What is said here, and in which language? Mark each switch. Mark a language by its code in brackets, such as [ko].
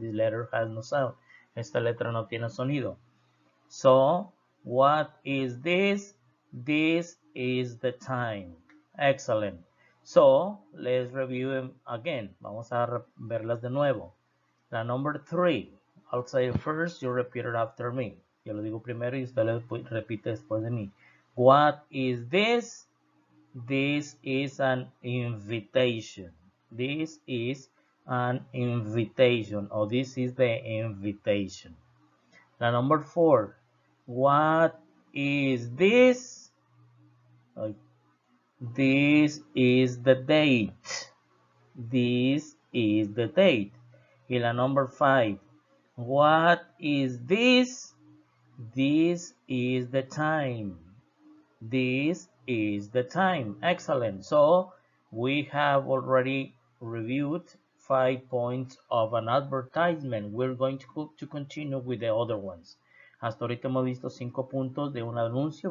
[en] This letter has no sound. [es] Esta letra no tiene sonido. [en] So, what is this? This is the time. Excellent. So, let's review them again. [es] Vamos a verlas de nuevo. La [en] number three. I'll say it first, you repeat it after me. [es] Yo lo digo primero y usted lo repite después de mí. [en] What is this? This is an invitation. This is an invitation. Or this is the invitation. [es] La [en] number four. What is this? This is the date. This is the date. [es] Y la [en] number five. What is this? This is the time. This is the time. Excellent. So, we have already reviewed 5 points of an advertisement. We're going to continue with the other ones. [es] Hasta ahorita hemos visto 5 puntos de un anuncio.